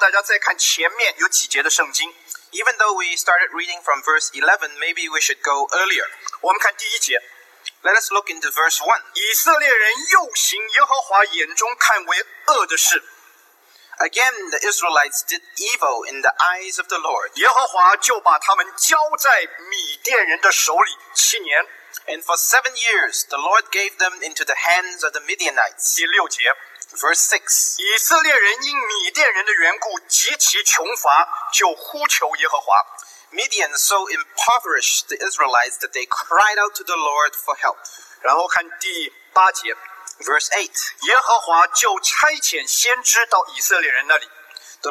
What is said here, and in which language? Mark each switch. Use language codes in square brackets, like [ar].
[zh] 在士师记第六章，刚才我们是从第十一节看起。不过我希望大家再看前面有几节的圣经。 [en] Even though we started reading from verse 11, maybe we should go earlier. [zh] 我们看第一节。 [en] Let us look into verse 1. [zh] 以色列人又行耶和华眼中看为恶的事。 [en] Again, the Israelites did evil in the eyes of the Lord. [zh] 耶和华就把他们交在米甸人的手里七年。 [en] And for 7 years, the Lord gave them into the hands of the Midianites. [zh] 第六节, [en] verse 6. [zh] 以色列人因米甸人的缘故极其穷乏，就呼求耶和华。 [en] Midian so impoverished the Israelites that they cried out to the Lord for help. [zh] 然后看第八节。 [en] Verse 8. [zh] 耶和华就差遣先知到以色列人那里。 [en] The